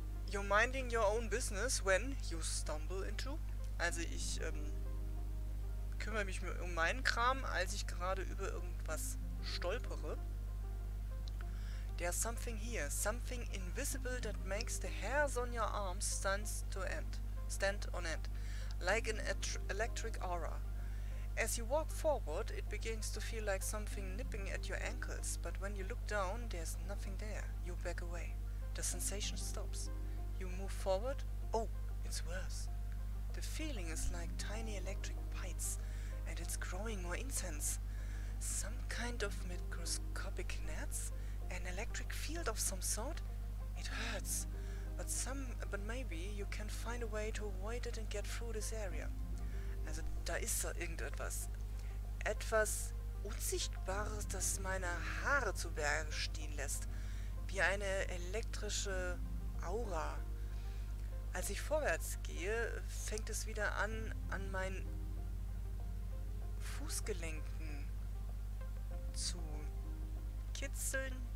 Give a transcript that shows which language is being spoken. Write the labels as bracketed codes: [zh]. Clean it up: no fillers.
[en] You're minding your own business when you stumble into. [de] Also ich kümmere mich um meinen Kram, als ich gerade über irgendwas stolpere. [en] There's something here, something invisible that makes the hairs on your arms stand on end, like an electric aura. As you walk forward, it begins to feel like something nipping at your ankles, but when you look down, there's nothing there. You back away. The sensation stops. You move forward. Oh, it's worse. The feeling is like tiny electric bites, and it's growing more intense. Some kind of microscopic gnats? An electric field of some sort? It hurts. But maybe you can find a way to avoid it and get through this area. [de] Also, da ist da irgendetwas. Etwas Unsichtbares, das meine Haare zu Berge stehen lässt. Wie eine elektrische Aura. Als ich vorwärts gehe, fängt es wieder an meinen Fußgelenken zu kitzeln.